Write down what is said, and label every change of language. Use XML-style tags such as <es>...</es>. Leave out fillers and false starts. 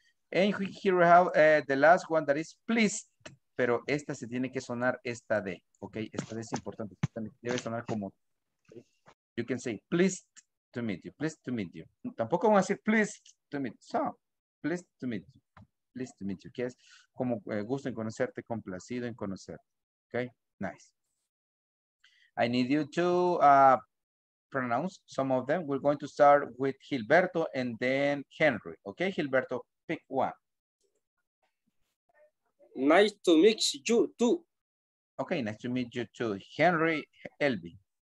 <en>And here we have the last one that is pleased.</en> <es>Pero esta se tiene que sonar esta D. Okay. Esta D es importante. Debe sonar como. Okay.</es> <en>You can say pleased to meet you. Pleased to meet you. Tampoco van a decir pleased to meet you. So, pleased to meet you. pleased to meet you.</en> <es>Que es como gusto en conocerte, complacido en conocerte.</es> <en>Okay, nice. I need you to pronounce some of them. We're going to start with Gilberto and then Henry. Okay, Gilberto, pick one. Nice to meet you too. Okay, nice to meet you too. Henry, Elvi.</en>